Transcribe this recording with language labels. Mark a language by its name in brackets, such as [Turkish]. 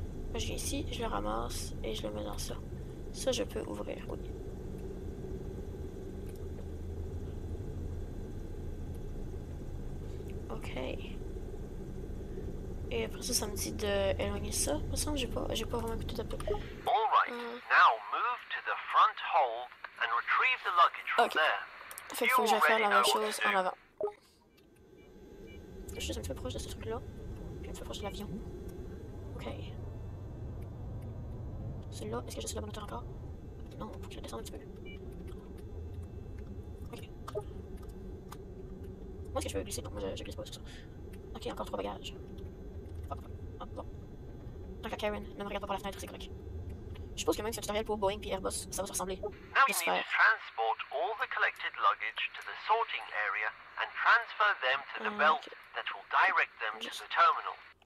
[French] Moi, je viens ici, je le ramasse et je le mets dans ça. Ça, je peux ouvrir. Oui. Ok. Et après ça, ça me dit d'éloigner ça. Il me semble que j'ai pas vraiment écouté d'un peu. Alright. [English] Now move to the front hold and retrieve the luggage from okay. There. [French] Fait que faut que je fasse la même chose en avant. Je suis un peu proche de ce truc-là. Puis un peu proche de l'avion. Ok. Celui-là, est-ce que je suis la bonne hauteur encore? Non, faut que je descende un petit peu. Ok. Moi, est-ce que je veux glisser? Non, moi, je glisse pas sur ça. Ok, encore trois bagages. Karen, ne me regarde pas par la fenêtre, c'est correct. Je suppose que même si c'est un tutoriel pour Boeing puis Airbus, ça va se ressembler. [English] Now you need to transport all the collected luggage to the sorting area and transfer them to the belt that will direct them to the terminal.